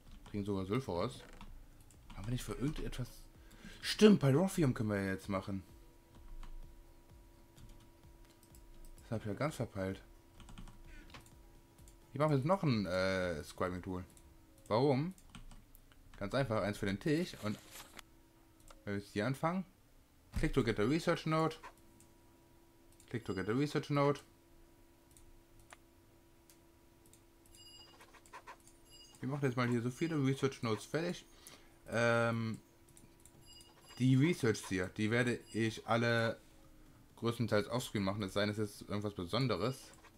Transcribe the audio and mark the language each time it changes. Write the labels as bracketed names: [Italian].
[German] Kriegen sogar Sulfur aus. Haben wir nicht für irgendetwas... Stimmt, Pyrophium können wir jetzt machen. Das habe ich ja ganz verpeilt. Ich mache jetzt noch ein Scribing Tool. Warum? Ganz einfach, eins für den Tisch und... Wenn wir jetzt hier anfangen... [English] Click to get a research note. Click to get a research note. [German] Wir machen jetzt mal hier so viele Research Notes fertig. Die Research hier, die werde ich alle größtenteils offscreen machen, es sei denn, es ist irgendwas Besonderes.